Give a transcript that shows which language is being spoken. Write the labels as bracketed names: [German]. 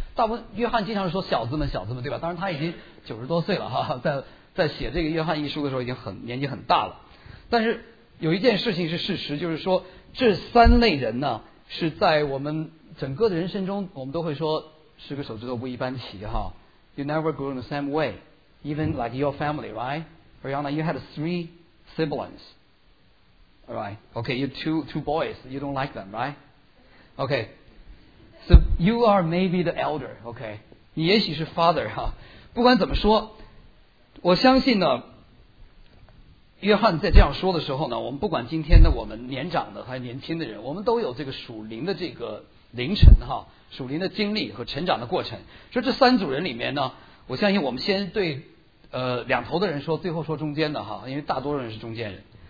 [Chinese] 大部分约翰经常是说小子们，小子们，对吧？当然他已经九十多岁了哈，在写这个约翰一书的时候已经很年纪很大了。但是有一件事情是事实，就是说这三类人呢是在我们整个的人生中，我们都会说十个手指头不一般齐哈。 [English] You never grew in the same way, even like your family, right? Rihanna, you had three siblings, right? Okay, you two boys, you don't like them, right? Okay, so you are maybe the elder, okay? [Chinese] 你也许是 father 哈。不管怎么说，我相信呢，约翰在这样说的时候呢，我们不管今天的我们年长的还是年轻的人，我们都有这个属灵的这个凌晨哈，属灵的经历和成长的过程。说这三组人里面呢，我相信我们先对两头的人说，最后说中间的哈，因为大多数人是中间人。